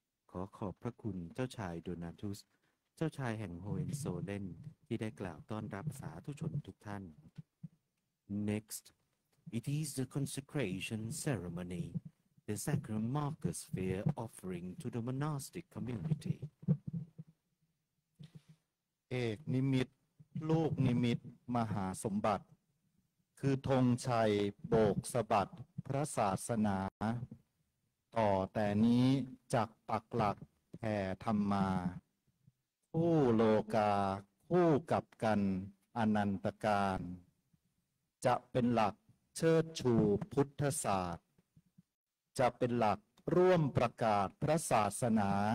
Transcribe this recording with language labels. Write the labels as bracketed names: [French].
[Thai] ขอขอบพระคุณเจ้าชายโดนาทุสเจ้าชายแห่งโฮเอนโซเลนที่ได้กล่าวต้อนรับสาธุชนทุกท่าน [English] Next It is the consecration ceremony, the sacrum marcus sphere offering to the monastic community. [Thai] เอกนิมิตลูกนิมิตมหาสมบัติคือธงชัยโบกสะบัดพระศาสนาต่อแต่นี้จักปักหลักแผ่ธรรมมาคู่โลกาคู่กับกันอนันตกาลจะเป็นหลักเชิดชูพุทธศาสตร์จะเป็นหลักร่วมประกาศพระศาสนา